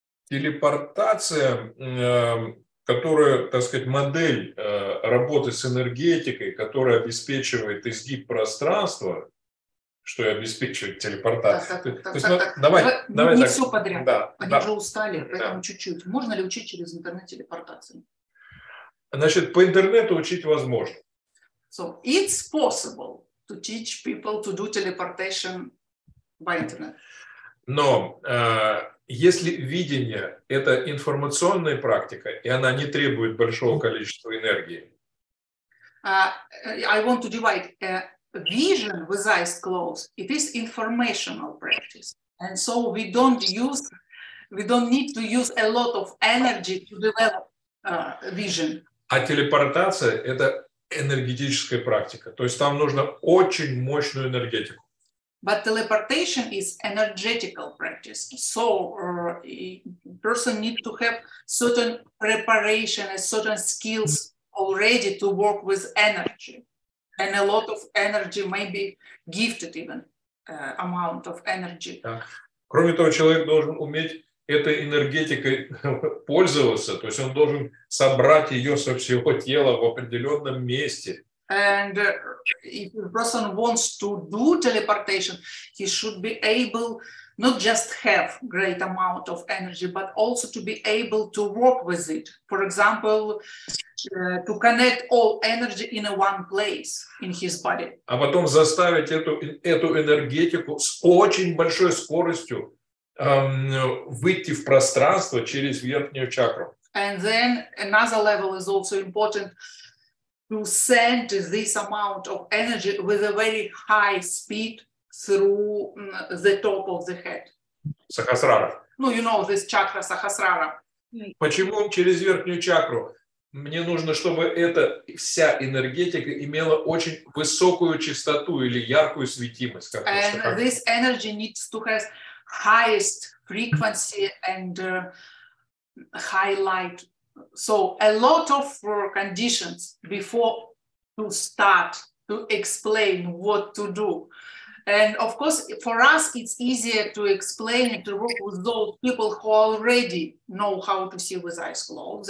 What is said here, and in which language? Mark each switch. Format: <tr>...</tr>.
<ru>телепортация, которая, так сказать, модель работы с энергетикой, которая обеспечивает изгиб пространства, что и обеспечивает телепортацию. Давай, все подряд. Уже устали, поэтому чуть-чуть. Можно ли учить через интернет телепортацию? Значит, по интернету учить возможно.</ru> <en>So it's possible to teach people to do teleportation by internet.</en> <ru>Но если видение – это информационная практика, и она не требует большого количества энергии.</ru> <en>I want to divide vision with eyes closed. It is informational practice. And so we don't need to use a lot of energy to develop vision.</en> <ru>А телепортация – это энергетическая практика. То есть там нужно очень мощную энергетику.</ru> <en>But teleportation is energetical practice. So person need to have certain preparation and certain skills already to work with energy. And a lot of energy, maybe gifted even amount of energy.</en> <ru>Кроме того, человек должен уметь этой энергетикой пользоваться. То есть он должен собрать ее со всего тела в определенном месте.</ru> <en>And if a person wants to do teleportation, he should be able not just have great amount of energy, but also to be able to work with it. For example, to connect all energy in one place in his body.</en> <ru>А потом заставить эту энергетику с очень большой скоростью выйти в пространство через верхнюю чакру.</ru> <en>And then another level is also important. To send this amount of energy with a very high speed through the top of the head.</en> <ru>Сахасрара.</ru> <en>Ну, you know, this chakra Сахасрара.</en> <ru>Почему через верхнюю чакру? Мне нужно, чтобы эта вся энергетика имела очень высокую частоту или яркую светимость. Как</ru> <en>and this energy needs to have highest frequency and high light. So a lot of conditions before to start to explain what to do. And of course, for us, it's easier to explain and to work with those people who already know how to see with eyes closed.</en>